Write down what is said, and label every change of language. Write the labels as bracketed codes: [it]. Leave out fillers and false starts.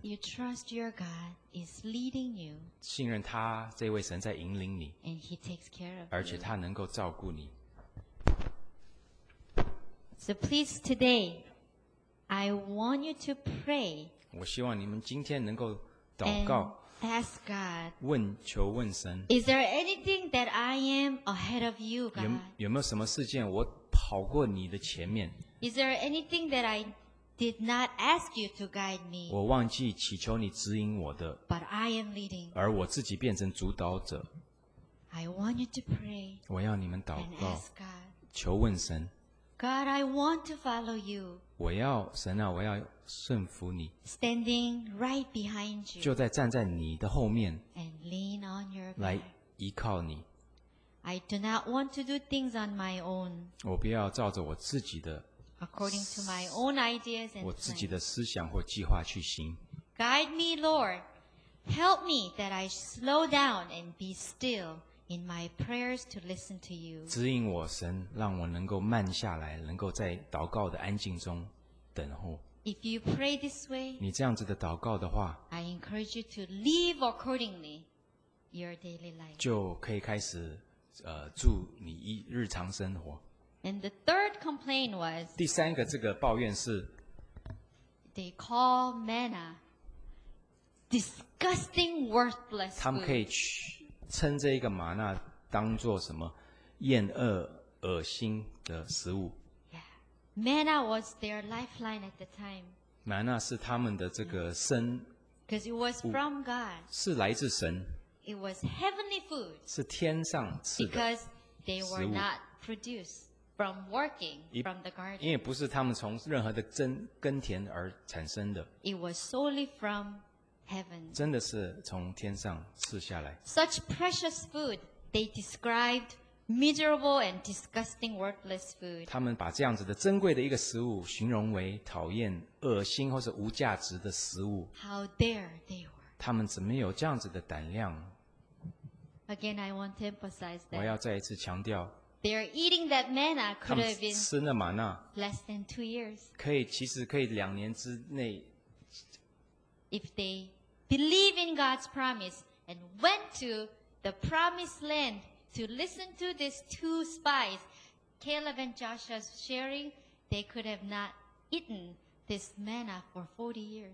[en] you trust your God is leading you, [zh] 信任他这位神在引领你 [en] and he takes care of [zh] 而且他能够照顾你 [en] So please today I want you to pray [zh] 我希望你们今天能够祷告 [en] and ask God [zh] 问求问神 [en] Is there anything that I am ahead of you, God? [zh] 有没有什么事件我跑过你的前面 [en] Is there anything that I did not ask you to guide me. [zh] 我忘记祈求你指引我的 [en] But I am leading. [zh] 而我自己变成主导者 [en] I want you to pray. [zh] 我要你们祷告 [en] and ask God. [zh] 求问神 [en] God, I want to follow you. [zh] 我要神啊，我要顺服你 [en] Standing right behind you. [zh] 就在站在你的后面 [en] and lean on your back. [zh] 来依靠你 [en] I do not want to do things on my own. [zh] 我不要照着我自己的 [en] According to my own ideas and [zh] 我自己的思想或计划去行 [en] Guide me, Lord. Help me that I slow down and be still in my prayers to listen to you. [zh] 指引我神，让我能够慢下来，能够在祷告的安静中等候。 [en] If you pray this way, [zh] 你这样子的祷告的话 [en] I encourage you to live accordingly your daily life. [zh] 就可以开始住你日常生活。 [en] And the third complaint was, [zh] 第三个这个抱怨是 [en] they call manna disgusting worthless food. [zh] 他们可以称这一个玛纳当作什么厌恶恶心的食物。 [en] Yeah. Manna was their lifeline at the time. [zh] 玛纳是他们的这个生物。 [en] Because it was from God. [zh] 是来自神。 [en] It was heavenly food. [zh] 是天上赐的。 [en] Because they were not produced. From working from the garden. [zh] 因为不是他们从任何的耕田而产生的。 [en] It was solely from heaven. [zh] 真的是从天上赐下来。 [en] Such precious food, they described miserable and disgusting worthless food. [zh] 他们把这样子的珍贵的一个食物形容为讨厌、恶心或是无价值的食物。 [en] How dare they were. [zh] 他们怎么有这样子的胆量 [en] Again, I want to emphasize that. [zh] 我要再一次强调。 [en] They're eating that manna could have been less than 2 years. [zh] 可以，其实可以两年之内。 [en] If they believe in God's promise and went to the promised land to listen to these two spies, Caleb and Joshua sharing, they could have not eaten this manna for 40 years.